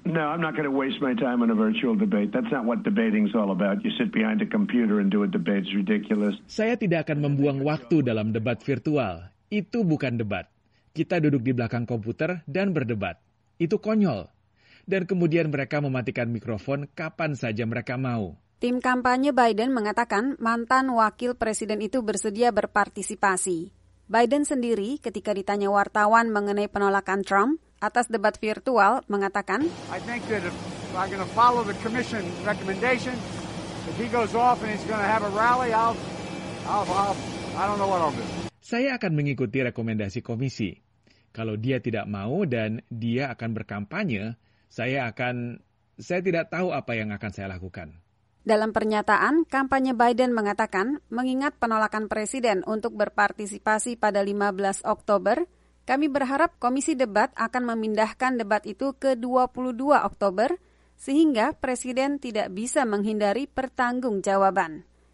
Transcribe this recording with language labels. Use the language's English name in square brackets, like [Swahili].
[English] "No, I'm not going to waste my time on a virtual debate. That's not what debating's all about. You sit behind a computer and do a debate. It's ridiculous." [Indonesian] Saya tidak akan membuang waktu dalam debat virtual. Itu bukan debat. Kita duduk di belakang komputer dan berdebat. Itu konyol. Dan kemudian mereka mematikan mikrofon kapan saja mereka mau. Tim kampanye Biden mengatakan mantan wakil presiden itu bersedia berpartisipasi. Biden sendiri ketika ditanya wartawan mengenai penolakan Trump atas debat virtual mengatakan, [English] "I think that if I'm going to follow the commission recommendation, if he goes off and he's going to have a rally, I don't know what I'll do." [Indonesian] Saya akan mengikuti rekomendasi komisi. Kalau dia tidak mau dan dia akan berkampanye, saya tidak tahu apa yang akan saya lakukan. Dalam pernyataan, kampanye Biden mengatakan, mengingat penolakan presiden untuk berpartisipasi pada 15 Oktober, kami berharap komisi debat akan memindahkan debat itu ke 22 Oktober, sehingga presiden tidak bisa menghindari pertanggungjawaban.